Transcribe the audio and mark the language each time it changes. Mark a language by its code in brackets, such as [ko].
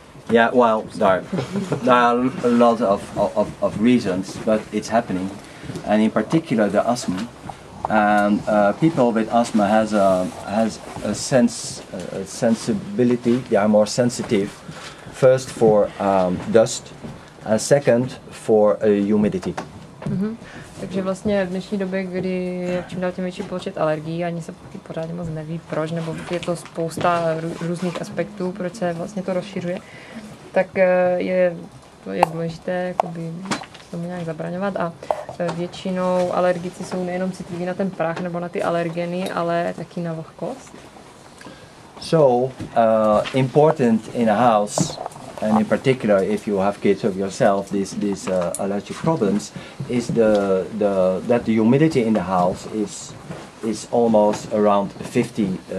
[en] Yeah, well, there are a lot of reasons, but it's happening. And in particular, the asthma. And people with asthma has a sensibility. They are more sensitive. First for dust, and second for humidity. Mm-hmm. [cs] Takže vlastně v dnešní době, kdy je čím dál tím větší počet alergií, ani se pořádně moc neví proč, nebo je to spousta různých aspektů, proč se vlastně to rozšiřuje, tak je důležité jakoby tomu nějak zabraňovat. A většinou alergici jsou nejenom citliví na ten prach nebo na ty alergeny, ale taky na vlhkost. [en] So, important in a house, and in particular if you have kids of yourself, these allergic problems, is that the humidity in the house is almost around 50%.